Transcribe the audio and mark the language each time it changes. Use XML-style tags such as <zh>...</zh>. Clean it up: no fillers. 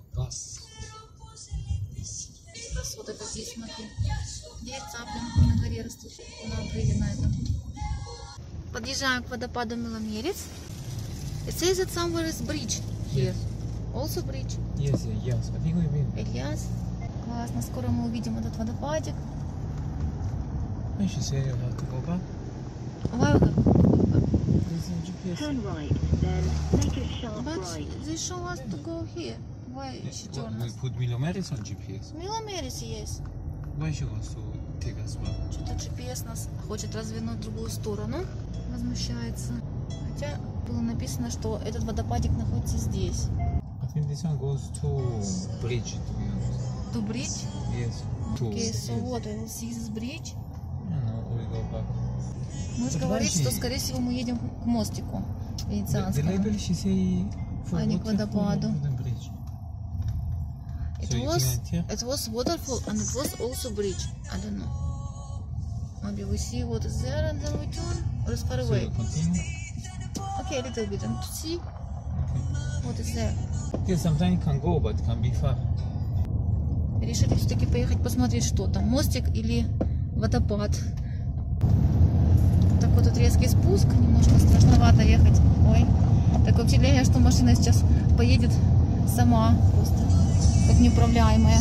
<ru>Сейчас вот это здесь, смотри. Яйца, блин, на горе растут. На обрыве на этом. Подъезжаем к водопаду Миломерец.</ru> <en>It says that somewhere is bridge here. Yes. Also bridge. Yes, yes. What do you mean? Elias.</en> <ru>Классно, скоро мы увидим этот водопадик.</ru> <en>I should say you have to go back. Why would I? GPS. Turn right, then make a sharp but right. But they show us to go here. Why yeah, she turned? We put Миломерец on GPS. Миломерец, yes. Why she wants to take us back?</en> <ru>Что-то GPS нас хочет развернуть в другую сторону. Возмущается. Хотя было написано, что этот водопадик находится здесь.</ru> <en>I think this one goes to bridge, to be honest. To bridge? Yes. Okay, yes. So what? See this bridge? Back.</en> <ru>Можешь</ru> <en>but</en> <ru>говорить, что, скорее всего, мы едем к мостику Венецианскому, а не к водопаду.</ru> <en>It was waterfall and it was also bridge. I don't know. Maybe we see what is there and then we turn or is far away. So okay, a little bit and to see what is there. Yeah, sometimes it can go, but it can be far.</en> <ru>Решили все-таки поехать посмотреть, что там, мостик или водопад. Такой тут резкий спуск, немножко страшновато ехать. Ой, такое впечатление, что машина сейчас поедет сама, просто как неуправляемая.</ru>